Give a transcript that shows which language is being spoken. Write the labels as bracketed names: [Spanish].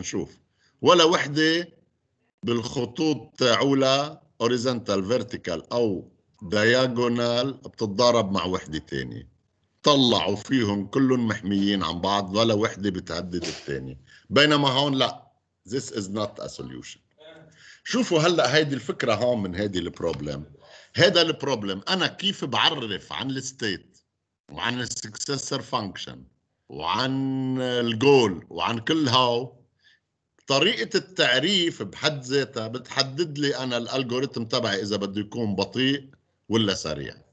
[Arabic] شوف ولا وحدة بالخطوط تاعولا horizontal vertical او diagonal بتتضارب مع وحدة تانية طلعوا فيهم كلهم محميين عن بعض ولا وحدة بتهدد التانية. بينما هون لا [English] this is not a solution. [Arabic] شوفوا هلأ هيدي الفكرة هون من هيدي البروبلم. هيدا البروبلم انا كيف بعرف عن الستيت وعن السكسسر فانكشن وعن الجول وعن كل هاو. طريقة التعريف بحد ذاتها بتحدد لي أنا الألغوريتم تبعي إذا بده يكون بطيء ولا سريع.